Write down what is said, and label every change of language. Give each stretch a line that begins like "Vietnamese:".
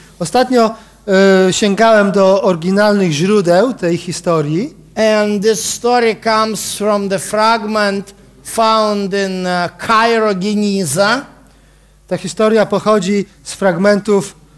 Polish: Ostatnio sięgałem do oryginalnych źródeł tej historii.
English: And this story comes from the fragment found in Cairo Geniza.
Polish: Ta historia pochodzi z fragmentów